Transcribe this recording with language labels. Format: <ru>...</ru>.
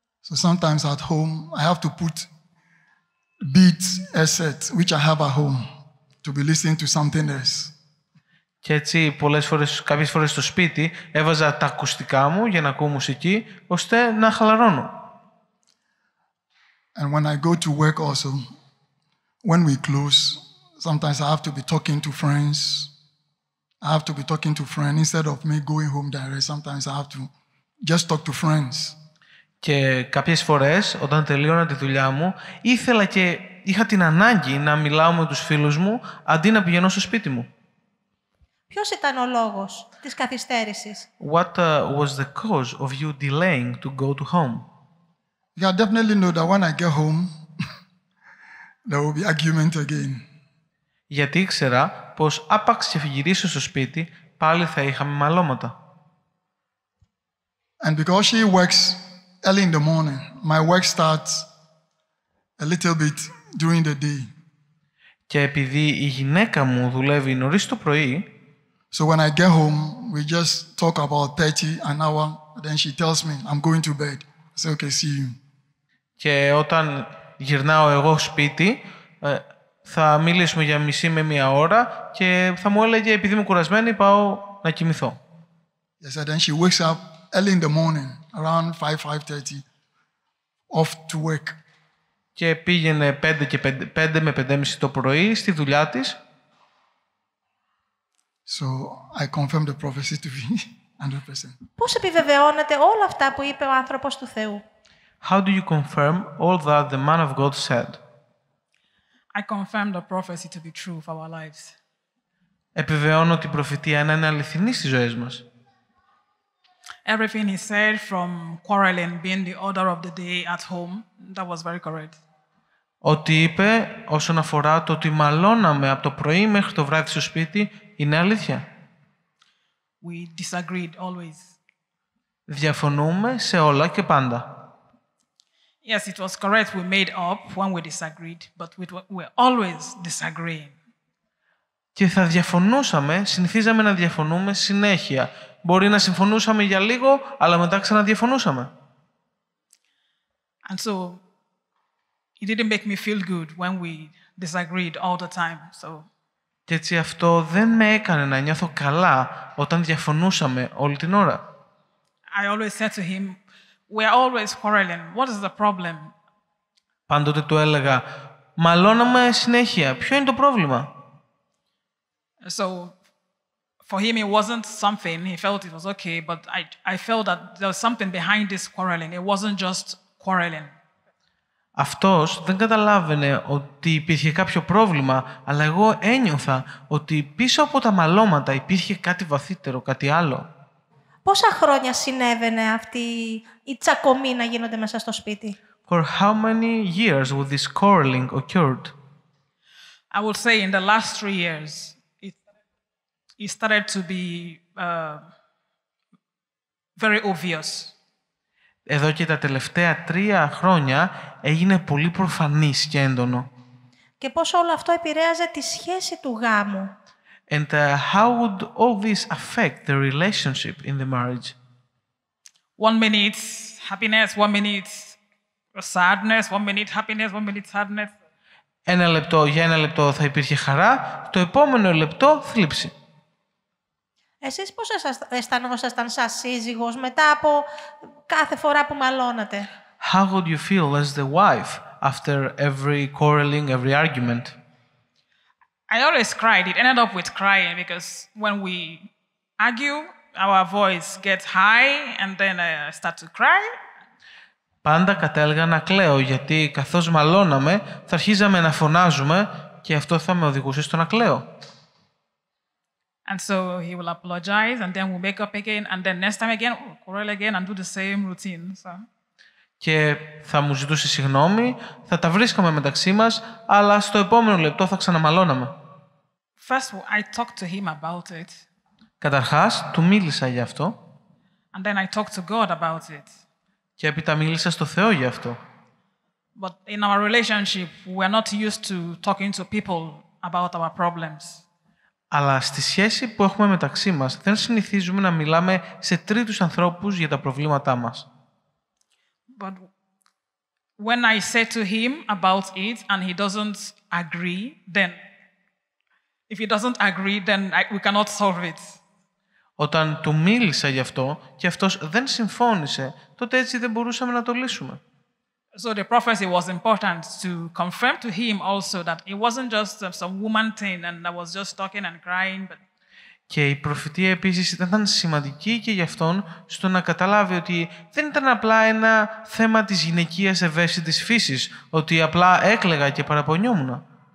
<en>So sometimes at home I have to put beats headset which I have at home to be listening to something else.</en> <el>Και έτσι κάποιες φορές στο σπίτι έβαζα τα ακουστικά μου για να ακούω μουσική ώστε να χαλαρώνω.</el> <en>And when I go to work also, when we close, sometimes I have to be talking to friends. I have to be talking to friends instead of me going home direct. Sometimes I have to just talk to friends.</en> <el>Και κάποιες φορές, όταν τελείωνα τη δουλειά μου, ήθελα και είχα την ανάγκη να μιλάω με τους φίλους μου, αντί να πηγαίνω στο σπίτι μου. Ποιος ήταν ο λόγος της καθυστέρησης?</el> <en>What was the cause of you delaying to go to home? You definitely know that when I get home, there will be argument again.</en> <el>Γιατί ήξερα πως άπαξ και φυγηρίσω στο σπίτι, πάλι θα είχαμε μαλώματα.</el> <en>And because she works early in the morning, my work starts a little bit during the day.</en> <el>Και επειδή η γυναίκα μου δουλεύει νωρίς το πρωί,</el> <en>so when I get home, we just talk about 30 an hour, then she tells me I'm going to bed. I say, okay, see you.</en> <el>Και όταν γυρνάω εγώ σπίτι, θα μιλήσουμε για μισή με μία ώρα και θα μου έλεγε, επειδή είμαι κουρασμένη, πάω να κοιμηθώ.</el> <en>Yes, and then she wakes up early in the morning, around 5:30, off to work.</en> <el>Και πήγαινε 5 με 5:30 το πρωί στη δουλειά της.</el> <en>So I confirm the prophecy to be 100%.</en> <el>Πώς επιβεβαιώνεται όλα αυτά που είπε ο άνθρωπος του Θεού;</el> <en>How do you confirm all that the man of God said? I confirm the prophecy to be true for our lives.</en> <el>Επιβεβαιώνω την προφητεία να είναι αληθινή στις ζωές μας.</el> <en>Everything he said from quarreling being the order of the day at home, that was very correct.</en> <el>Ότι είπε όσον αφορά το ότι μαλώναμε από το πρωί μέχρι το βράδυ στο σπίτι, είναι αλήθεια.</el> <en>We disagreed always.</en> <el>Διαφωνούμε σε όλα και πάντα.</el> <en>Yes, it was correct. We made up when we disagreed, but we were always disagreeing.</en> <el>Και θα διαφωνούσαμε, συνηθίζαμε να διαφωνούμε συνέχεια. Μπορεί να συμφωνούσαμε για λίγο, αλλά μετά ξαναδιαφωνούσαμε.</el> <en>And so, it didn't make me feel good when we disagreed all the time. So.</en> <el>Και έτσι αυτό δεν με έκανε να νιώθω καλά όταν διαφωνούσαμε όλη την ώρα.</el> <en>I always said to him, "We are always quarreling. What is the problem?"</en> <el>Πάντοτε του έλεγα, μαλώναμε συνέχεια. Ποιο είναι το πρόβλημα;</el> <en>So, for him, it wasn't something. He felt it was okay, but I felt that there was something behind this quarreling. It wasn't just quarreling.</en> <el>Αυτός δεν καταλάβαινε ότι υπήρχε κάποιο πρόβλημα, αλλά εγώ ένιωθα ότι πίσω από τα μαλώματα υπήρχε κάτι βαθύτερο, κάτι άλλο. Πόσα χρόνια συνέβαινε αυτή η τσακωμή να γίνονται μέσα στο σπίτι;</el> <en>For how many years would this quarreling occurred? I would say in the last 3 years. It started to be very obvious.</en> <el>Εδώ και τα τελευταία 3 χρόνια έγινε πολύ προφανής και έντονο. Και πώς όλο αυτό επηρέαζε τη σχέση του γάμου;</el> <en>And how would all this affect the relationship in the marriage? 1 minute happiness, 1 minute sadness, 1 minute happiness, 1 minute sadness.</en> <el>Ένα λεπτό, για ένα λεπτό θα υπήρχε χαρά, το επόμενο λεπτό θλίψη. Εσείς πώς αισθανόσασταν σαν σύζυγος μετά από κάθε φορά που μαλώνατε;</el> <en>How would you feel as the wife after every quarreling, every argument? I always cried. It ended up with crying because when we argue, our voice gets high and then I start to cry.</en> <el>Πάντα κατέλεγα να κλαίω γιατί καθώς μαλώναμε, θα αρχίζαμε να φωνάζουμε και αυτό θα με οδηγούσε στο να κλαίω.</el> <en>And so he will apologize, and then we'll make up again, and then next time again, we'll quarrel again, and do the same routine. So.</en> <el>Και θα μου ζητούσε συγγνώμη, θα τα βρίσκαμε μεταξύ μας, αλλά στο επόμενο λεπτό θα ξαναμαλώναμε.</el> <en>First, I talked to him about it.</en> <el>Καταρχάς, του μίλησα γι' αυτό.</el> <en>And then I talked to God about it.</en> <el>Και έπειτα μίλησα στο Θεό γι' αυτό.</el> <en>But in our relationship, we are not used to talking to people about our problems.</en> <el>Αλλά στη σχέση που έχουμε μεταξύ μας, δεν συνηθίζουμε να μιλάμε σε τρίτους ανθρώπους για τα προβλήματά μας.</el> <en>But when I say to him about it and he doesn't agree, then if he doesn't agree, then we cannot solve it.</en> <el>Όταν του μίλησα γι' αυτό και αυτός δεν συμφώνησε, τότε έτσι δεν μπορούσαμε να το λύσουμε.</el> <en>So the prophecy was important to confirm to him also that it wasn't just some woman thing and I was just talking and crying. But...</en> <el>Και η προφητεία επίσης ήταν σημαντική και για αυτόν στο να καταλάβει ότι δεν ήταν απλά ένα θέμα της γυναικείας ευαίσθητης φύσης, ότι απλά έκλαιγα και παραπονιόμουν.</el>